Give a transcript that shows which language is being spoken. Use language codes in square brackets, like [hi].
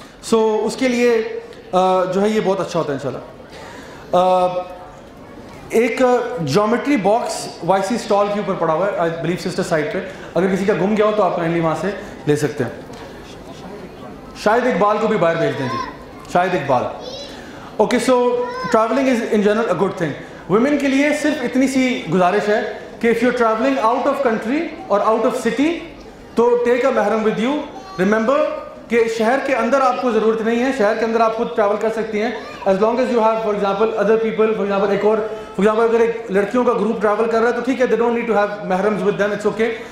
[ur] سو اس کے لیے جو ہے یہ بہت اچھا ہوتا ہے انشاءاللہ. ایک جیومیٹری باکس وائی سی اسٹال کے اوپر پڑا ہوا ہے, آئی بلیو سسٹر سائڈ پہ, اگر کسی کا گم گیا ہو تو آپ کائنڈلی وہاں سے لے سکتے ہیں. شاید اقبال کو بھی باہر بھیج دیں جی, شاید Iqbal. [en] Okay, so travelling is in general a good thing. [ur] Women کے لیے صرف اتنی سی گزارش ہے کہ [en] If you travelling out of country اور out of city تو take a محرم with you. [ur] ریممبر کہ شہر کے اندر آپ کو ضرورت نہیں ہے, شہر کے اندر آپ خود ٹریول کر سکتی ہیں, [en] As long as you have for example other people. [ur] For example ایک اور فار ایگزامپل اگر ایک لڑکیوں کا گروپ ٹریول کر رہا ہے تو ٹھیک ہے, [en] They don't need to have محرمز with them, it's okay.